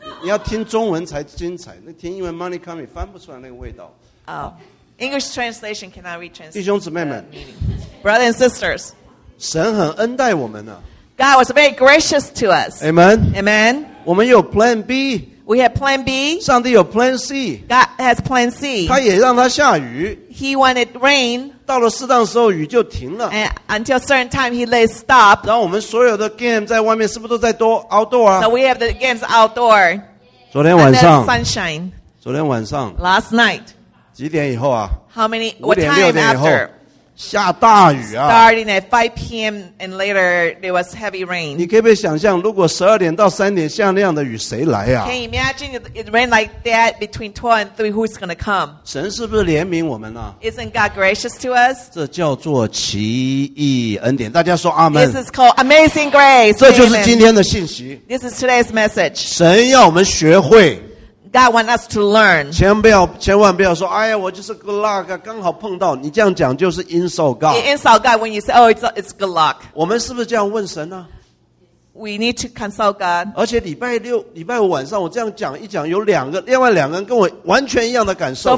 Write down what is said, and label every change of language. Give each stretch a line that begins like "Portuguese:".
Chinese: 你要听中文才精彩，那听英文
English: money coming
Chinese: 翻不出来那个味道。
English: English translation cannot retranslate.
Chinese: 弟兄姊妹们
English: ，brothers and sisters，
Chinese: 神很恩待我们呢、啊。
English: God was very gracious to us. Amen. Amen.
Chinese: 我们有 plan B.
English: We have plan B.
Chinese: 上帝有 plan C.
English: God has plan C.
Chinese: 他也让他下雨。
English: He wanted rain.
Chinese: 到了适当时候雨就停了。
English: And until certain time he let stop.
Chinese: 然后我们所有的 game 在外面是不是都在多 outdoor 啊
English: ？So we have the games outdoor.
Chinese: 昨天晚上。
English: And the sunshine.
Chinese: 昨天晚上。
English: Last night.
Chinese: 几点以后啊
English: ？How many? What time after?
Chinese: 下大雨啊。
English: Starting at 5 p.m. and later there was heavy rain.
Chinese: 你可不可以想象，如果十二点到三点下那样的雨，谁来啊
English: ？Can you imagine it rain like that between 12 and 3? Who's going to come?
Chinese: 神是不是怜悯我们呢
English: ？Isn't God gracious to us?
Chinese: 这叫做奇异恩典。大家说阿门。
English: This is called amazing grace.
Chinese: 这就是今天的信息。
English: This is today's message.
Chinese: 神要我们学会。
English: God wants us to learn.
Chinese: 千万不要说，哎呀，我就是
English: good luck，
Chinese: 刚好碰到。你这样讲就是
English: insult God. Insult God when you say, "Oh, it's good luck."
Chinese: 我们是不是这样问神呢？
English: We need to consult God.
Chinese: 而且礼拜五晚上我这样讲一讲，有另外两个人跟我完全一样的感受。